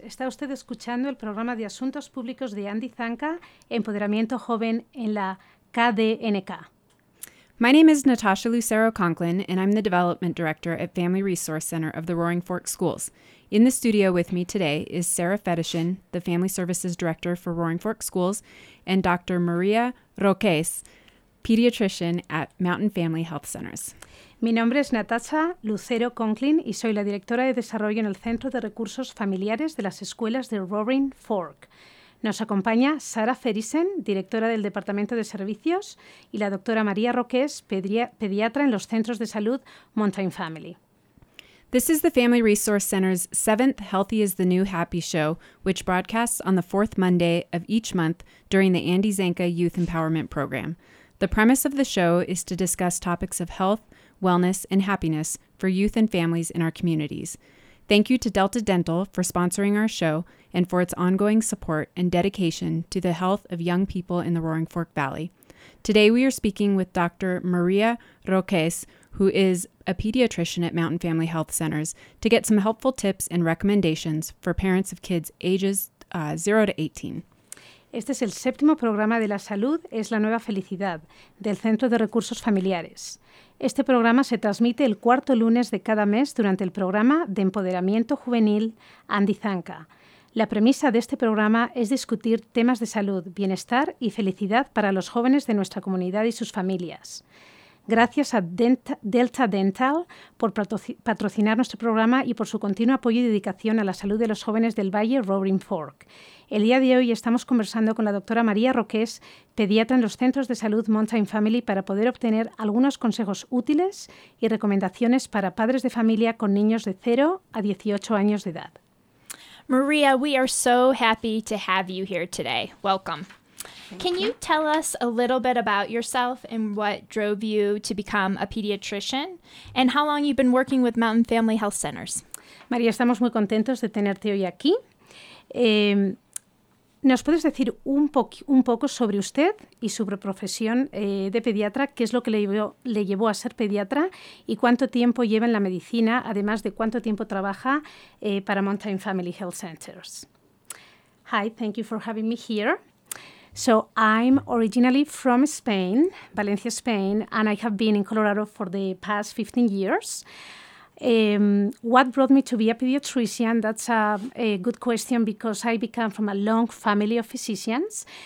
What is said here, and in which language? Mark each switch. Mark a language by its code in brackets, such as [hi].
[es] Está usted escuchando el programa de Asuntos Públicos de Andy Zanca, Empoderamiento Joven en la KDNK. [en] My name is Natasha Lucero Conklin, and I'm the Development Director at Family Resource Center of the Roaring Fork Schools. In the studio with me today is Sarah Fetishin, the Family Services Director for Roaring Fork Schools, and Dr. Maria Roques, pediatrician at Mountain Family Health Centers. [es] Mi nombre es Natasha Lucero Conklin y soy la directora de desarrollo en el Centro de Recursos Familiares de las Escuelas de Roaring Fork. Nos acompaña Sara Fetishin, directora del Departamento de Servicios, y la doctora María Roques, pediatra en los centros de salud Mountain Family. [en] This is the Family Resource Center's seventh Healthy is the New Happy show, which broadcasts on the fourth Monday of each month during the Andy Zanca Youth Empowerment Program. The premise of the show is to discuss topics of health, wellness, and happiness for youth and families in our communities. Thank you to Delta Dental for sponsoring our show and for its ongoing support and dedication to the health of young people in the Roaring Fork Valley. Today we are speaking with Dr. Maria Roques, who is a pediatrician at Mountain Family Health Centers, to get some helpful tips and recommendations for parents of kids ages 0 to 18. [es] Este es el séptimo programa de La Salud es la Nueva Felicidad, del Centro de Recursos Familiares. Este programa se transmite el cuarto lunes de cada mes durante el programa de empoderamiento juvenil Andy Zanca. La premisa de este programa es discutir temas de salud, bienestar y felicidad para los jóvenes de nuestra comunidad y sus familias. Gracias a Delta Dental por patrocinar nuestro programa y por su continuo apoyo y dedicación a la salud de los jóvenes del Valle Roaring Fork. El día de hoy estamos conversando con la doctora María Roques, pediatra en los centros de salud Mountain Family, para poder obtener algunos consejos útiles y recomendaciones para padres de familia con niños de 0 a 18 años de edad. [en] María, we are so happy to have you here today. Welcome. Can you tell us a little bit about yourself and what drove you to become a pediatrician and how long you've been working with Mountain Family Health Centers? [es] María, estamos muy contentos de tenerte hoy aquí. ¿Nos puedes decir un poco sobre usted y su profesión de pediatra? ¿Qué es lo que le llevó a ser pediatra y cuánto tiempo lleva en la medicina, además de cuánto tiempo trabaja para Mountain Family Health Centers? [en] Hi, thank you for having me here. So I'm originally from Spain, Valencia, Spain, and I have been in Colorado for the past 15 years. What brought me to be a pediatrician? That's a good question because I come from a long family of physicians.